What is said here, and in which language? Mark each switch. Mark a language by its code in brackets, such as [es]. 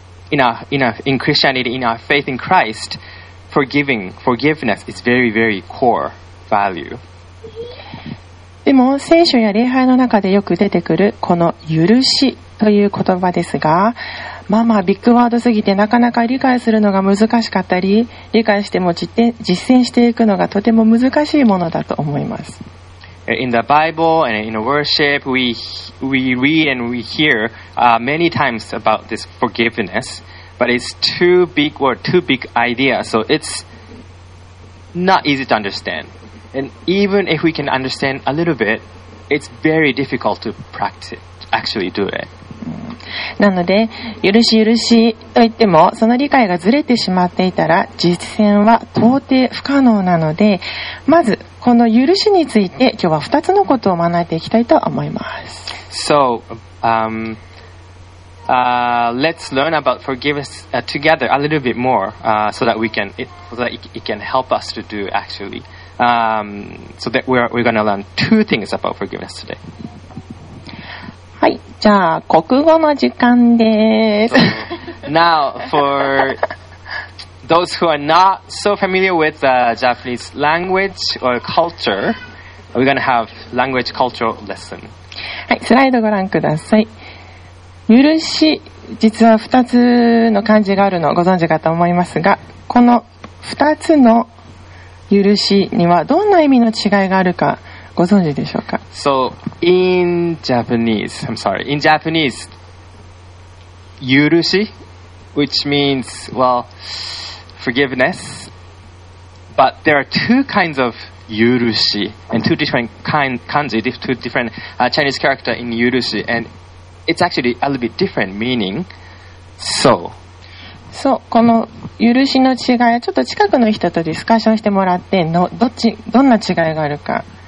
[en] In Christianity, in our faith in Christ, forgiveness is very, very core value. [ja] でも聖書や礼拝の中でよく出てくるこの許しという言葉ですが、まあまあビッグワードすぎてなかなか理解するのが難しかったり、理解しても実践していくのがとても難しいものだと思います。 [en] In the Bible and in worship, we read and we hear many times about this forgiveness, but it's too big or too big idea, so it's not easy to understand. And even if we can understand a little bit, it's very difficult to practice, actually do it. [ja] なので、許し許しと言っても、その理解がずれてしまっていたら、実践は到底不可能なので、まず、この許しについて、今日は2つのことを学んでいきたいと思います。 [en] So, let's learn about forgiveness together a little bit more, so that it can help us to do actually. So that we're going to learn two things about forgiveness today. [ja] はい、じゃあ国語の時間です。 [en] Now for those who are not so familiar with the Japanese language or culture, we're gonna have language cultural lesson. [ja] はい、スライドご覧ください。許し、実は2つの漢字があるのをご存知かと思いますが、この2つの許しにはどんな意味の違いがあるか。ご存知でしょうか? [en] So in Japanese, I'm sorry. In Japanese, yurushi, which means well, forgiveness. But there are two kinds of yurushi and two different kanji, two different Chinese character in yurushi, and it's actually a little bit different meaning. So. [ja] そう、この許しの違いはちょっと近くの人とディスカッションしてもらって、のどっちどんな違いがあるか。